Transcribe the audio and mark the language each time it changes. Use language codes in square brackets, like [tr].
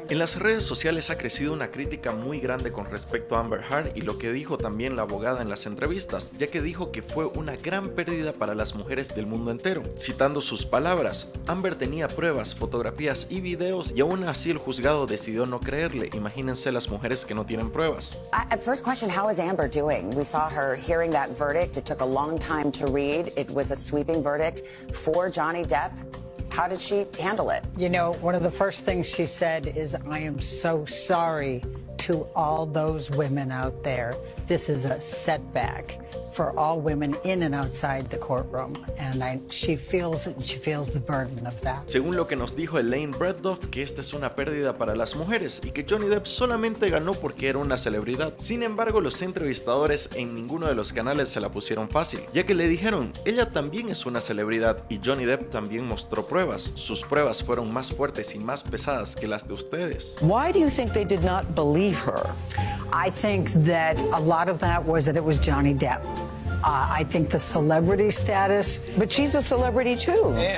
[es] En las redes sociales ha crecido una crítica muy grande con respecto a Amber Heard y lo que dijo también la abogada en las entrevistas, ya que dijo que fue una gran pérdida para las mujeres del mundo entero. Citando sus palabras, Amber tenía pruebas, fotografías y videos y aún así el juzgado decidió no creerle. Imagínense las mujeres que no tienen pruebas. [en] First question, how is Amber doing? We saw her hearing that verdict. verdict. It took a long time to read. It was a sweeping verdict for Johnny Depp. How did she handle it? You know, one of the first things she said is, I am so sorry to all those women out there. This is a setback for all women in and outside the courtroom. And she feels the burden of that. [es] Según lo que nos dijo Elaine Breedlove, que esta es una pérdida para las mujeres y que Johnny Depp solamente ganó porque era una celebridad. Sin embargo, los entrevistadores en ninguno de los canales se la pusieron fácil, ya que le dijeron, ella también es una celebridad y Johnny Depp también mostró pruebas. Sus pruebas fueron más fuertes y más pesadas que las de ustedes. [en] Why do you think they did not believe her? I think that a lot of that was that it was Johnny Depp. I think the celebrity status, but she's a celebrity too.